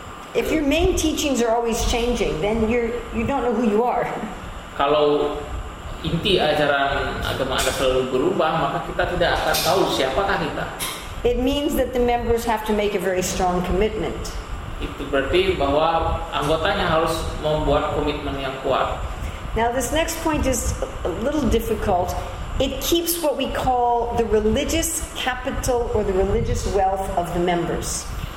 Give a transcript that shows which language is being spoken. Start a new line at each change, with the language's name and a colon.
English: If your main teachings are always changing, then you don't know who you are.
Indonesian: Kalau inti ajaran agama Anda selalu berubah, maka kita tidak akan tahu siapakah kita.
English: It means that the members have to make a very strong commitment.
Indonesian: Itu berarti bahwa anggotanya harus membuat komitmen yang kuat.
English: Now this next point is a little difficult. It keeps what we call the religious capital or the religious wealth of the members.